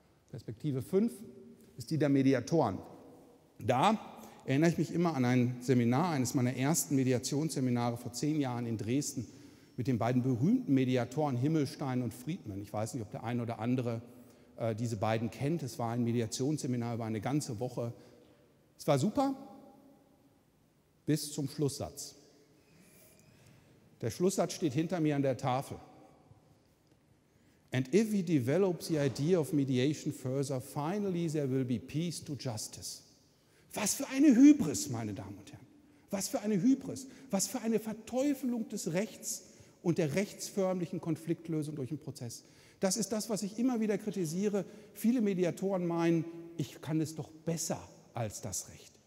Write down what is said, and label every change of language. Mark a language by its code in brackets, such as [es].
[de] Perspektive 5 ist die der Mediatoren. Da erinnere ich mich immer an ein Seminar, eines meiner ersten Mediationsseminare vor 10 Jahren in Dresden mit den beiden berühmten Mediatoren Himmelstein und Friedman. Ich weiß nicht, ob der eine oder andere diese beiden kennt. Es war ein Mediationsseminar über eine ganze Woche. Es war super, bis zum Schlusssatz. Der Schlusssatz steht hinter mir an der Tafel. [en] And if we develop the idea of mediation further, finally there will be peace to justice. [de] Was für eine Hybris, meine Damen und Herren. Was für eine Hybris. Was für eine Verteufelung des Rechts und der rechtsförmlichen Konfliktlösung durch den Prozess. Das ist das, was ich immer wieder kritisiere. Viele Mediatoren meinen, ich kann es doch besser als das Recht.